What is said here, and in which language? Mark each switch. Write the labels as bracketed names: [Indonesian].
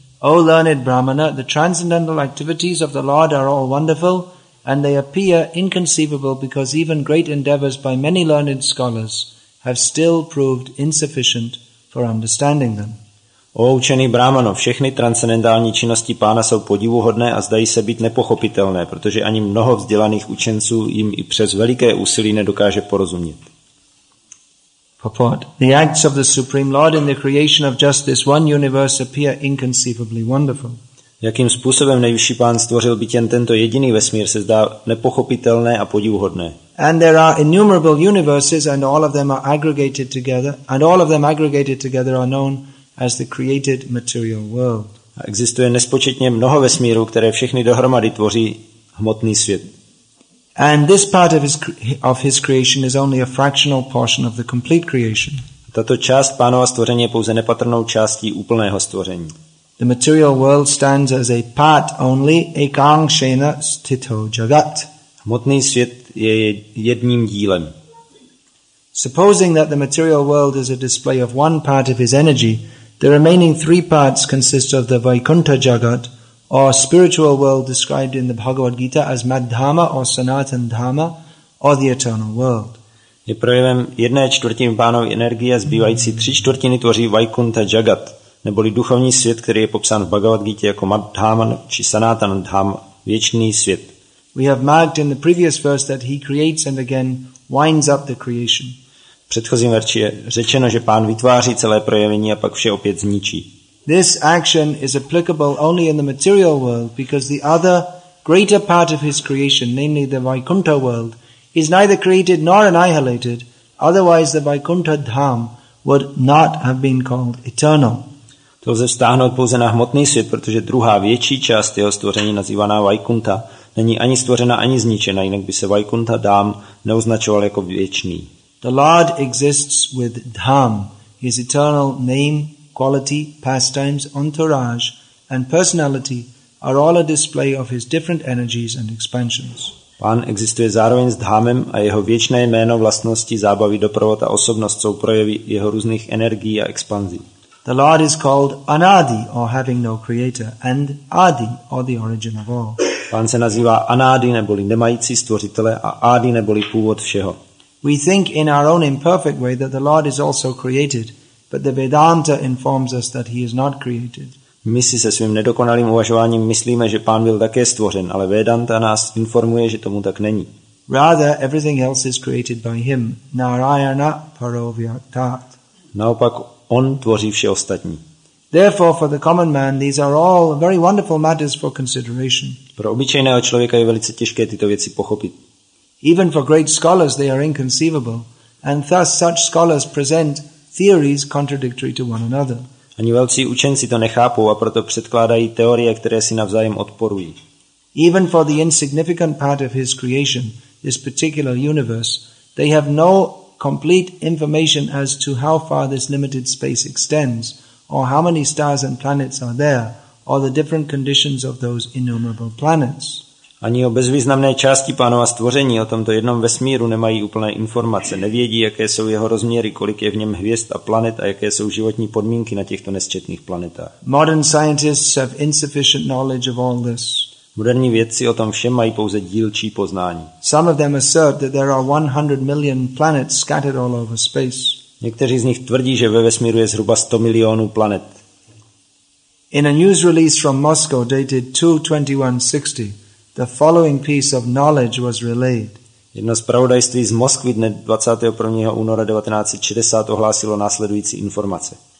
[English] O learned Brahmana, the transcendental activities of the Lord are all wonderful, and they appear inconceivable because even great endeavors by many learned scholars have still proved insufficient for understanding them. [Czech] O učený Brahmano, všechny transcendentální činnosti pána jsou podivuhodné a zdají se být nepochopitelné, protože ani mnoho vzdělaných učenců jim i přes veliké úsilí nedokáže porozumět. [English] Purport. The acts of the Supreme Lord in the creation of just this one universe appear inconceivably wonderful. [Czech] Jakým způsobem nejvyšší pán stvořil být jen tento jediný vesmír, se zdá nepochopitelné a podivuhodné. [English] And there are innumerable universes and all of them are aggregated together and all of them aggregated together are known as the created material world. [Czech] Existuje nespočetně mnoho vesmírů, které všechny dohromady tvoří hmotný svět. [English] And this part of his creation is only a fractional portion of the complete creation. [Czech] Tato část pánova stvoření je pouze nepatrnou částí úplného stvoření. [English] The material world stands as a part only, [Sanskrit] ekangshena stito jagat. [Czech] Hmotný svět je jedním dílem. [English] Supposing that the material world is a display of one part of his energy, the remaining three parts consist of the Vaikuntha Jagat, or spiritual world described in the Bhagavad Gita as Madhama or Sanatan Dhamma, or the eternal world. [Czech] Je projevem jedné čtvrtiny pánové energie a zbývající tři čtvrtiny tvoří Vaikuntha Jagat, neboli duchovní svět, který je popsán v Bhagavad Gita jako Madhama či Sanatan Dhamma, věčný svět. [English] We have marked in the previous verse that he creates and again winds up the creation. [Czech] V předchozím verši je řečeno, že pán vytváří celé projevení a pak vše opět zničí. [English] This action is applicable only in the material world because the other greater part of his creation, namely the Vaikuntha world, is neither created nor annihilated, otherwise the Vaikuntha dham would not have been called eternal. [Czech] To lze vztáhnout pouze na hmotný svět, protože druhá větší část jeho stvoření nazývaná Vaikuntha není ani stvořena, ani zničena, jinak by se Vaikuntha dham neuznačoval jako věčný. [English] The Lord exists with Dham, his eternal name, quality, pastimes, entourage, and personality are all a display of his different energies and expansions. [Czech] Pán existuje zároveň s Dhamem a jeho věčné jméno, vlastnosti, zábavy, doprovod a osobnost jsou projevy jeho různých energií a expanzí. [English] The Lord is called Anadi, or having no creator, and Adi, or the origin of all. [Czech] Pán se nazývá Anadi, neboli nemající stvořitele, a Adi, neboli původ všeho. [English] We think in our own imperfect way that the Lord is also created, but the Vedanta informs us that he is not created. [Czech] My si se svým nedokonalým uvažováním myslíme, že pán byl také stvořen, ale Vedanta nás informuje, že tomu tak není. [English] Rather, everything else is created by him. [Sanskrit] Narayana parovyaktat. [Czech] Naopak, on tvoří vše ostatní. [English] Therefore, for the common man, these are all very wonderful matters for consideration. [Czech] Pro obyčejného člověka je velice těžké tyto věci pochopit. [English] Even for great scholars they are inconceivable, and thus such scholars present theories contradictory to one another. [Czech] Ani velcí učenci to nechápou a proto předkládají teorie, které si navzájem odporují. [English] Even for the insignificant part of his creation, this particular universe, they have no complete information as to how far this limited space extends, or how many stars and planets are there, or the different conditions of those innumerable planets. [Czech] Ani o bezvýznamné části pánova stvoření, o tomto jednom vesmíru nemají úplné informace, nevědí, jaké jsou jeho rozměry, kolik je v něm hvězd a planet a jaké jsou životní podmínky na těchto nesčetných planetách. [English] Modern scientists have insufficient knowledge of all this. [Czech] Moderní vědci o tom všem mají pouze dílčí poznání. [English] Some of them assert that there are 100 million planets scattered all over space. [Czech] Někteří z nich tvrdí, že ve vesmíru je zhruba 100 milionů planet. [English] In a news release from Moscow dated 2/21/60, the following piece of knowledge was relayed. [Czech] Jedno zpravodajství z Moskvy dne 21. února 1960 ohlásilo následující informace.